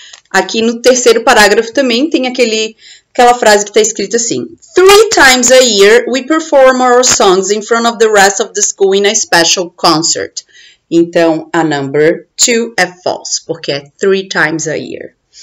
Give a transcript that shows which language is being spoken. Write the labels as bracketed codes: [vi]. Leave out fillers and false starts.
[pt] Aqui no terceiro parágrafo também tem aquela frase que está escrita assim. [en] 3 times a year we perform our songs in front of the rest of the school in a special concert. [pt] Então, a number 2 é false, porque é [en] 3 times a year.